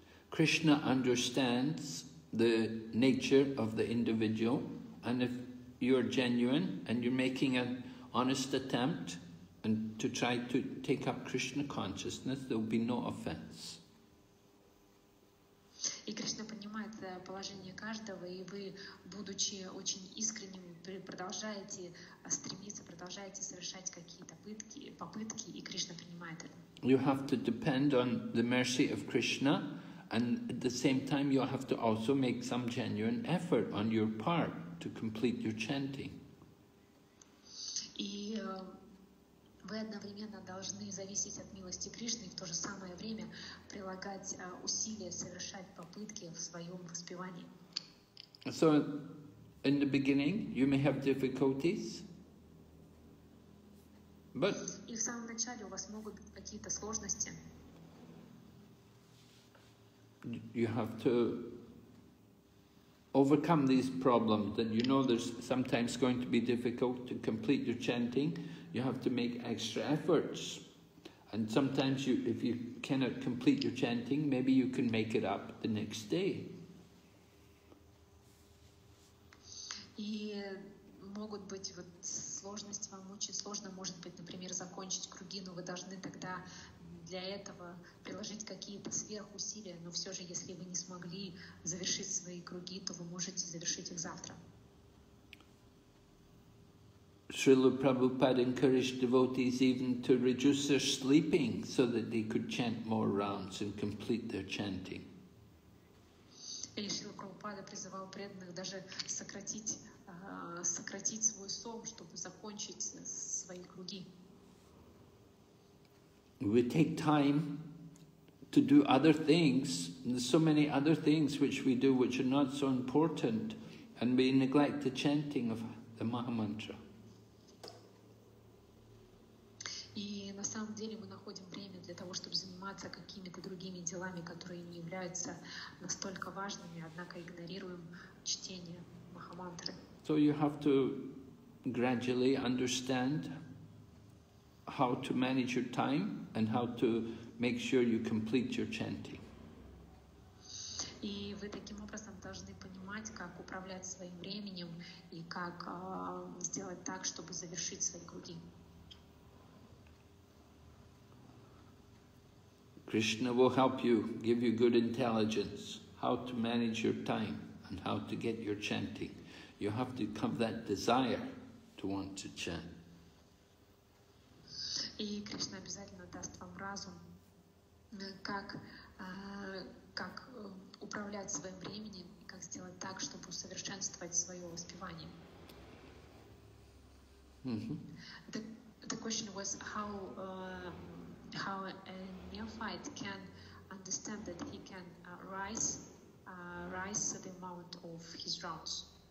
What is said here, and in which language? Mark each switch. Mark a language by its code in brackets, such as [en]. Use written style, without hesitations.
[en] Krishna understands the nature of the individual, and if you're genuine and you're making an honest attempt and to try to take up Krishna consciousness, there will be no offense. [ru] И Кришна понимает положение каждого, и вы, будучи очень искренним, продолжаете стремиться, продолжаете совершать какие-то попытки, и Кришна принимает это. [en] You have to depend on the mercy of Krishna. And at the same time, you have to also make some genuine effort on your part to complete your chanting. [ru] И вы одновременно должны зависеть от милости Кришны и в то же самое время прилагать усилия, совершать попытки в своем воспевании. [en] So, in the beginning, you may have difficulties, but. [ru] И в самом начале у вас могут быть какие-то сложности. [en] You have to overcome these problems, that you know there's sometimes going to be difficult to complete your chanting. You have to make extra efforts. And sometimes if you cannot complete your chanting, maybe you can make it up the next day. [ru] Могут быть вот сложности, вам очень сложно, может быть, например, закончить круги, но вы должны тогда для этого приложить какие-то сверхусилия, но все же, если вы не смогли завершить свои круги, то вы можете завершить их завтра. [en] Srila Prabhupada encouraged devotees even to reduce their sleeping so that they could chant more rounds and complete their chanting. [ru] И Шрила Прабхупада призывал преданных даже сократить свой сон, чтобы закончить свои круги. [en] We take time to do other things. There's so many other things which we do which are not so important, and we neglect the chanting of the Mahamantra. [ru] И на самом деле мы находим время для того, чтобы заниматься какими-то другими делами, которые не являются настолько важными, однако игнорируем чтение Махамантры. [en] So you have to gradually understand how to manage your time and how to make sure you complete your chanting. [ru] И вы таким образом должны понимать, как управлять своим временем и как сделать так, чтобы завершить свои круги. [en] Krishna will help you, give you good intelligence, how to manage your time and how to get your chanting. You have to have that desire to want to chant. [ru] И Кришна обязательно даст вам разум, как управлять своим временем, и как сделать так, чтобы усовершенствовать свое воспевание. [en] The question was how a neophyte can understand that he can rise to the amount of his rounds.